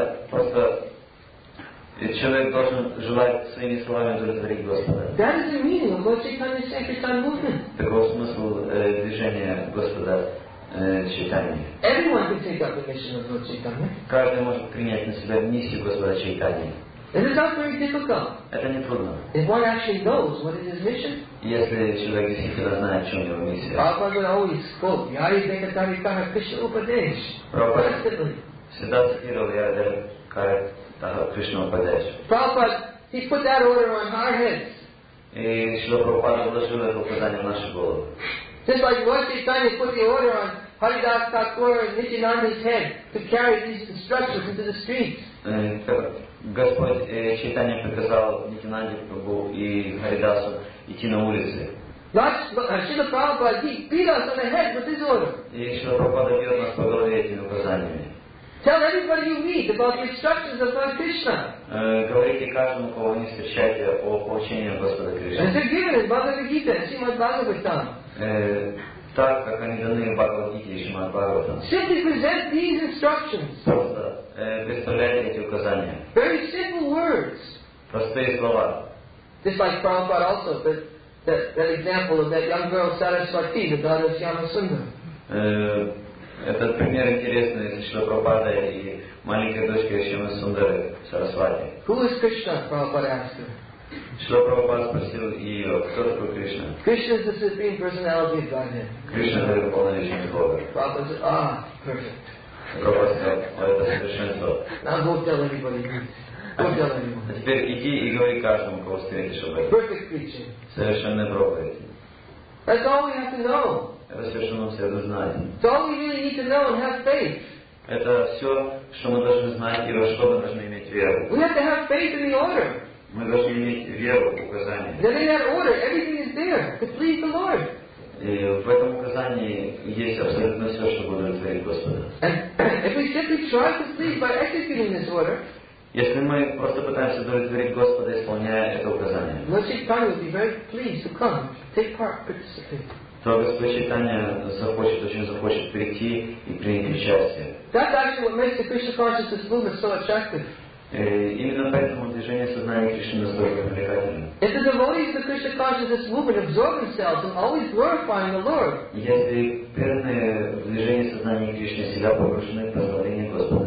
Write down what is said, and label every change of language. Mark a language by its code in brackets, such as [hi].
[ru] Просто и человек должен желать своими словами удовлетворить Господа. [en] That is the meaning of Lord Chaitanya's Sankirtan movement. [ru] Такого смысл движения Господа Чайтаньи. [en] Everyone can take up the mission of Lord Chaitanya. [ru] Каждый может принять на себя миссию Господа Чайтаньи. [en] It is not very difficult. [ru] Это не трудно. [en] If one actually knows what is his mission. [ru] Если человек действительно знает, в чем его миссия. [en] Prabhupada always spoke, [bn] Yari Vekatari Kara Krishna Upadesh. [ru] Prabhupada всегда цитировал [bn] Yari Kara [en] Prabhupada, he put that order on our heads. [ru] И Шрила Прабхупада вложил это указание в наши головы. [en] Just like Lord Chaitanya put the order on Haridas Thakur and Nityananda's head to carry these instructions into the streets. [ru] Господь Чайтанья приказал Нитинанде Прабху и Харидасу идти на улицы. [en] Шрила Прабхупада, he beat us on the head with his order. [ru] И Шрила Прабхупада бьет нас по голове этими указаниями. [en] Tell everybody you meet about the instructions of Lord Krishna. [ru] Говорите каждому, кого вы встречаете, о поучениях Господа Кришны. [en] As they're given in Bhagavad Gita, Srimad Bhagavatam. [ru] Так, как они даны в Бхагавад Гите и Шримад Бхагаватам. [en] Simply present these instructions. [ru] Просто представляйте эти указания. [en] Very simple words. [ru] Простые слова. [en] Just like Prabhupada also, that example of that young girl Saraswati, the daughter of Shyamasundar. [ru] Этот пример интересный, это Шрила Прабхупада и маленькая дочка Шримад Сундары Сарасвати. [en] Who is Krishna? Prabhupada asked her. [ru] Шрила Прабхупада спросил ее, кто такой Кришна? [en] Krishna is the Supreme Personality of Godhead. [ru] Krishna — это полное лечение Бога. [en] Prabhupada said, perfect. [ru] Прабхупада сказал, это совершенство. [en] Now go tell anybody. [ru] А теперь иди и говори каждому, кого встретишь об этом. [en] Perfect preaching. [ru] Совершенная проповедь. [en] That's all we have to know. [ru] Это все, что нам следует знать. [en] It's all we really need to know and have faith. [ru] Это все, что мы должны знать и во что мы должны иметь веру. [en] We have to have faith in the order. [ru] Мы должны иметь веру в указание. [en] Then in that order, everything is there to please the Lord. [ru] И в этом указании есть абсолютно все, что будет удовлетворить Господа. [en] And if we simply try to please by executing this order, [ru] если мы просто пытаемся удовлетворить Господа, исполняя это указание, [en] Lord Chaitanya will be very pleased to come, take part, participate. [ru] То Господь Чайтанья захочет, очень захочет прийти и принять участие. [en] That's actually what makes the Krishna consciousness movement so attractive. [ru] Именно поэтому движение сознания Кришны настолько привлекательно. [en] If the devotees of the Krishna consciousness movement absorb themselves in always glorifying the Lord. [ru] Если преданные в движении сознания Кришны всегда погружены в прославление Господа.